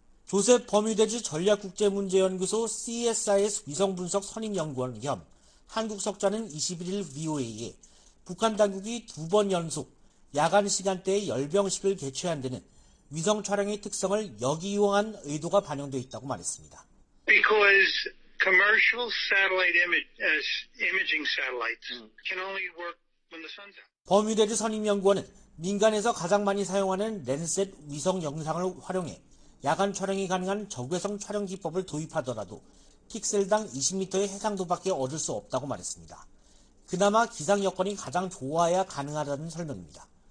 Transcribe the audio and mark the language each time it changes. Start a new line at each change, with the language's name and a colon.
Korean: 조셉 버뮤데즈 전략국제문제연구소 CSIS 위성분석 선임연구원 겸 한국석좌는 21일 VOA에 북한 당국이 두 번 연속 야간 시간대에 열병식을 개최한 데는 위성 촬영의 특성을 역이용한 의도가 반영되어 있다고 말했습니다.
English: Because commercial satellite imaging satellites can only work when the sun's out.
Korean: 버뮤데즈 선임연구원은 민간에서 가장 많이 사용하는 랜셋 위성 영상을 활용해 야간 촬영이 가능한 적외선 촬영 기법을 도입하더라도 픽셀당 20m의 해상도밖에 얻을 수 없다고 말했습니다. 그나마 기상 여건이 가장 좋아야 가능하다는 설명입니다.